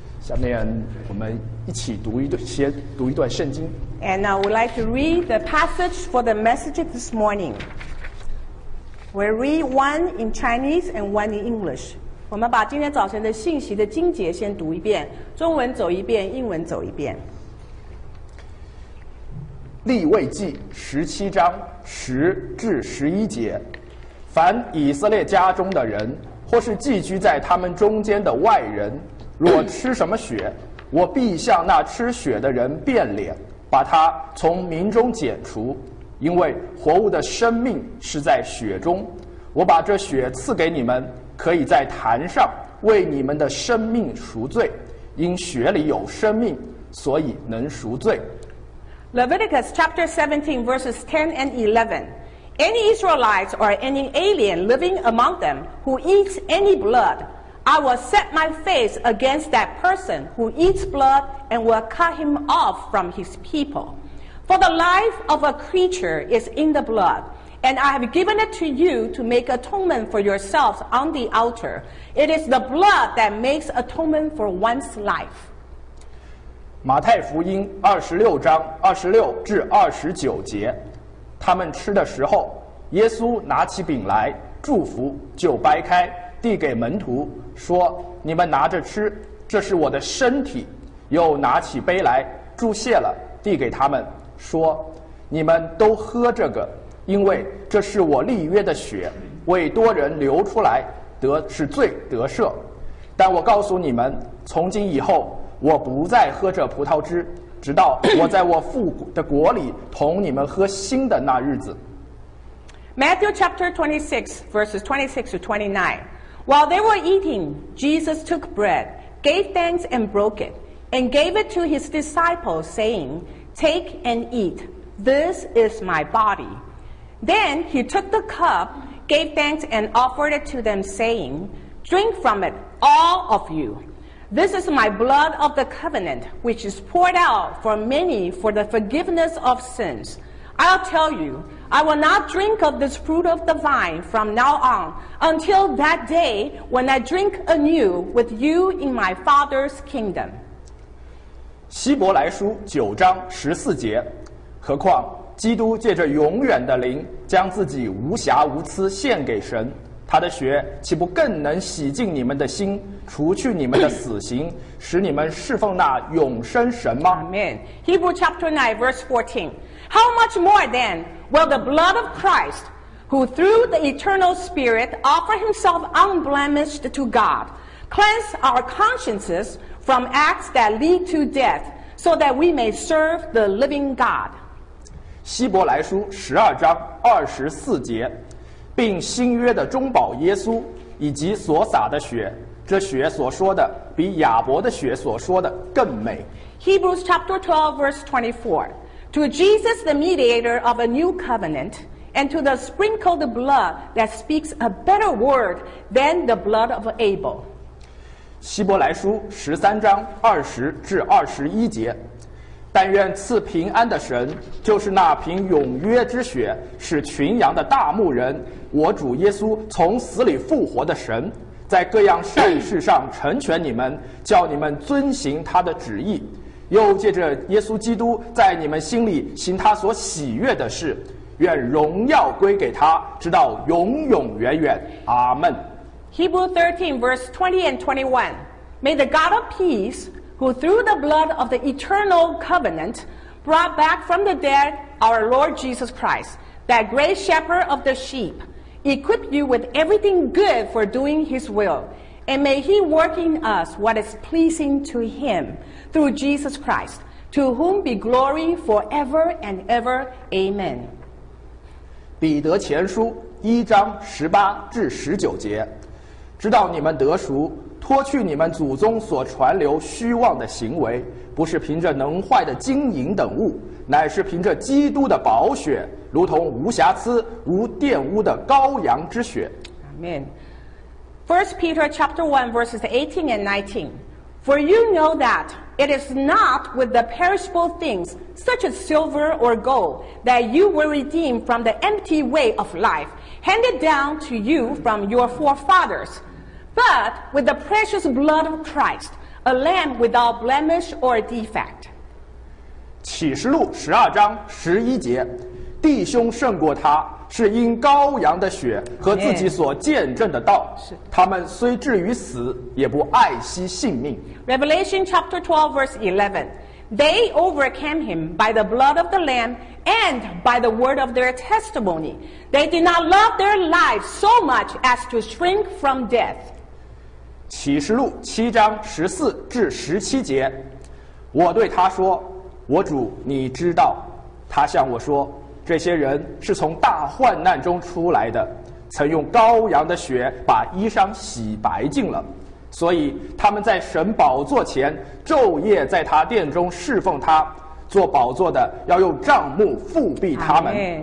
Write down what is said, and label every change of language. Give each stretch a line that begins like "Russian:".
Chinese: 下面我们一起读一段，先读一段圣经。
English: And now we'd like to read the passage for the message this morning. We'll read one in Chinese and one in English.
Chinese: 我们把今天早晨的信息的经节先读一遍，中文走一遍，英文走一遍。立位记十七章十至十一节，凡以色列家中的人，或是寄居在他们中间的外人，若吃什么血，我必向那吃血的人变脸，把他从民中剪除，因为活物的生命是在血中。我把这血赐给你们，可以在坛上为你们的生命赎罪，因血里有生命，所以能赎罪。
English: Leviticus chapter 17 verses 10 and 11. Any Israelites or any alien living among them who eats any blood, I will set my face against that person who eats blood and will cut him off from his people. For the life of a creature is in the blood, and I have given it to you to make atonement for yourselves on the altar. It is the blood that makes atonement for one's life.
Chinese: 马太福音二十六章二十六至二十九节，他们吃的时候，耶稣拿起饼来，祝福，就掰开，递给门徒，说：你们拿着吃，这是我的身体。又拿起杯来，祝谢了，递给他们，说：你们都喝这个，因为这是我立约的血，为多人流出来，得是罪得赦。但我告诉你们，从今以后，我不再喝这葡萄汁，直到我在我父的国里同你们喝新的那日子。
English: Matthew chapter 26, verses 26 to 29. While they were eating, Jesus took bread, gave thanks and broke it, and gave it to his disciples, saying, Take and eat, this is my body. Then he took the cup, gave thanks and offered it to them, saying, Drink from it, all of you. This is my blood of the covenant, which is poured out for many for the forgiveness of sins. I'll tell you,I will not drink of this fruit of the vine from now on until that day when I drink anew with you in my Father's kingdom.
Chinese: 希伯来书九章十四节，何况基督借着永远的灵将自己无瑕无疵献给神，他的血岂不更能洗净你们的心，除去你们的死刑，使你们侍奉那永生神吗？
English: Amen. Hebrew chapter 9 verse 14. How much more then will the blood of Christ, who through the eternal Spirit offer himself unblemished to God, cleanse our consciences from acts that lead to death, so that we may serve the living God?
Chinese: 希伯来书十二章二十四节，并新约的中保耶稣以及所洒的血，这血所说的比亚伯的血所说的更美。
English: Hebrews chapter 12 verse 24. To Jesus the mediator of a new covenant, and to the sprinkled blood that speaks a better word than the blood of Abel.
Chinese: 希伯来书十三章二十至二十一节，但愿赐平安的神，就是那凭永约之血使群羊的大牧人，我主耶稣从死里复活的神，在各样善事上成全你们，叫你们遵行他的旨意，又借着耶稣基督在你们心里行他所喜悦的事，愿荣耀归给他，直到永永远远。阿门。
English: Hebrew 13 verse 20 and 21. May the God of peace, who through the blood of the eternal covenant brought back from the dead our Lord Jesus Christ, that great shepherd of the sheep, equip you with everything good for doing his will, and may he work in us what is pleasing to him through Jesus Christ, to whom be glory forever and ever. Amen.
Chinese: 彼得前书一章十八至十九节，知道你们得赎，脱去你们祖宗所传流虚妄的行为，不是凭着能坏的金银等物，乃是凭着基督的宝血，如同无瑕疵无玷污的羔羊之血。
English: Amen. 1 Peter chapter 1 verses 18 and 19. For you know that it is not with the perishable things such as silver or gold that you were redeemed from the empty way of life handed down to you from your forefathers, but with the precious blood of Christ, A lamb without blemish or defect.
Chinese: 启示录十二章十一节，弟兄胜过他，是因羔羊的血和自己所见证的道。他们虽至于死，也不爱惜性命。
English: Revelation chapter 12 verse 11. They overcame him by the blood of the lamb and by the word of their testimony. They did not love their lives so much as to shrink from death.
Chinese: 启示录七章十四至十七节，我对他说，我主，你知道。他向我说，这些人是从大患难中出来的，曾用羔羊的血把衣裳洗白净了，所以他们在神宝座前昼夜在他殿中侍奉他，做宝座的要用帐幕覆庇他们，